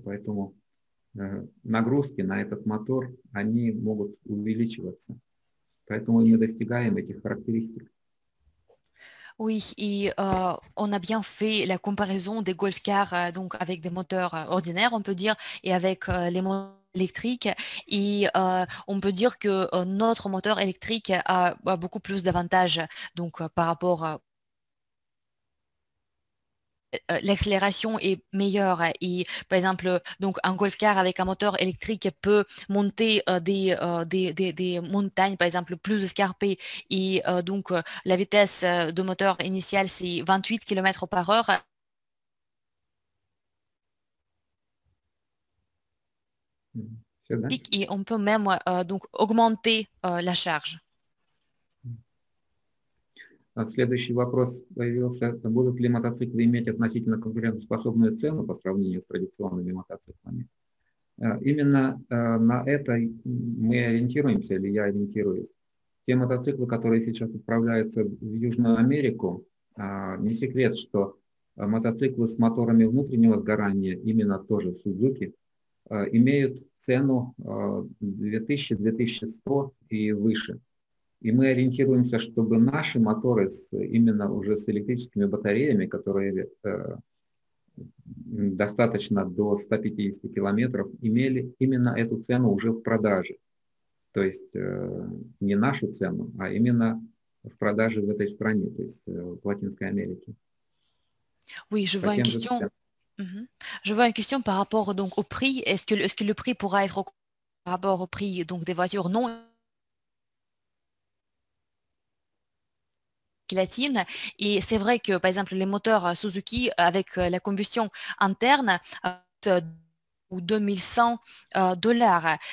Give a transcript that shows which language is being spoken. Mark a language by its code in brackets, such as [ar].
[ru] Поэтому нагрузки на этот мотор, они могут увеличиваться. Поэтому мы достигаем этих характеристик. [fr] Oui, et on a bien fait la comparaison des golf-cars donc avec des moteurs ordinaires, on peut dire, et avec les moteurs électriques. Et on peut dire que notre moteur électrique a beaucoup plus d'avantages donc par rapport à l'accélération est meilleure. Et par exemple, donc un golf car avec un moteur électrique peut monter des montagnes, par exemple, plus escarpées. Et donc la vitesse de moteur initiale, c'est 28 km/h. Et on peut même donc augmenter la charge. [ru] Следующий вопрос появился. Будут ли мотоциклы иметь относительно конкурентоспособную цену по сравнению с традиционными мотоциклами? Именно на это мы ориентируемся, или я ориентируюсь. Те мотоциклы, которые сейчас отправляются в Южную Америку, не секрет, что мотоциклы с моторами внутреннего сгорания, именно тоже Suzuki, имеют цену 2000-2100 и выше. И мы ориентируемся, чтобы наши моторы именно уже с электрическими батареями, которые достаточно до 150 километров, имели именно эту цену уже в продаже. То есть не нашу цену, а именно в продаже в этой стране, то есть в Латинской Америке. [fr] Oui, je vois une question. Je vois une question par rapport donc au prix. Est-ce que le prix pourra être par rapport au prix donc des voitures non latine. Et c'est vrai que, par exemple, les moteurs Suzuki avec la combustion interne coûtent 2 100 $.